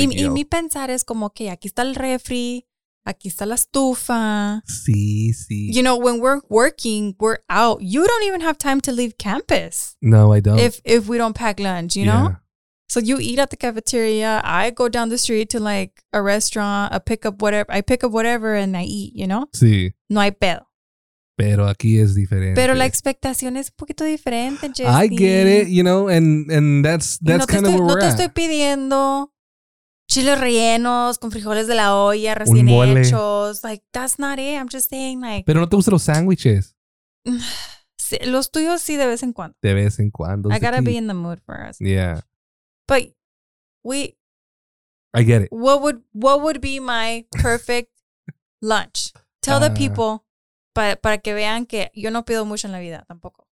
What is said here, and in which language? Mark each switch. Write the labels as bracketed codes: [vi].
[es] y mi pensar es como que aquí está el refri. Aquí está la estufa. Sí, sí. [en] You know, when we're working, we're out. You don't even have time to leave campus. No, I don't. If we don't pack lunch, you know? So you eat at the cafeteria. I go down the street to, like, a restaurant, I pick up whatever and I eat, you know? [es] Sí. No hay pedo. Pero aquí es diferente. Pero la expectación es un poquito diferente, Jesse. [en] I get it, you know, and that's no kind of where [es] no [en] we're at. [es] No te estoy pidiendo chiles rellenos con frijoles de la olla recién hechos. [en] Like, that's not it. I'm just saying, like. [es] Pero no te gustan los sándwiches. Los tuyos sí, de vez en cuando. De vez en cuando. [en] I gotta be in the mood for us. Yeah. But I get it. What would be my perfect lunch? Tell the people. [es] para que vean que yo no pido mucho en la vida tampoco.